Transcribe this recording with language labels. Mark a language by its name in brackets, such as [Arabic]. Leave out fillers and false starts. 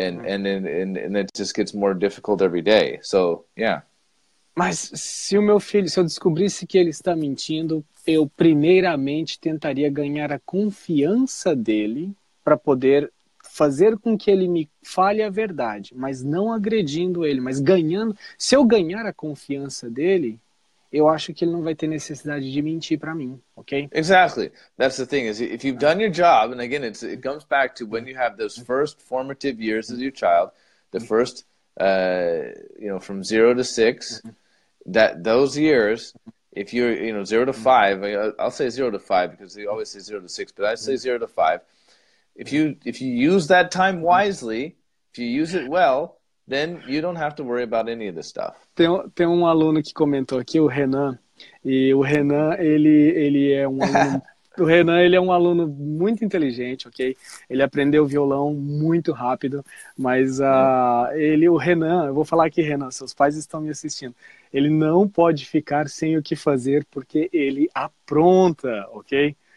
[English] And it just gets more difficult every day. So, yeah. [Portuguese] Mas se o meu filho, se eu descobrisse que ele está mentindo, eu primeiramente tentaria ganhar a confiança dele para poder fazer com que ele me fale a verdade, mas não agredindo ele, mas ganhando. Se eu ganhar a confiança dele, eu acho que ele não vai ter necessidade de mentir para mim, ok? [English] Exactly. That's the thing, is if you've done your job, and again, it comes back to when you have those first formative years as your child, the first, you know, from 0 to 6, that those years, if you're, you know, 0 to 5, I'll say 0 to 5 because they always say 0 to 6, but I say 0 to 5. If you use that time wisely, if you use it well, then you don't have to worry about any of this stuff. [Portuguese] Tem um aluno que comentou aqui, o Renan, e o Renan, ele é um aluno, o Renan, ele é um aluno muito inteligente, ok? Ele aprendeu violão muito rápido, mas o Renan, eu vou falar aqui, Renan, seus pais estão me assistindo, ele não pode ficar sem o que fazer porque ele apronta, ok?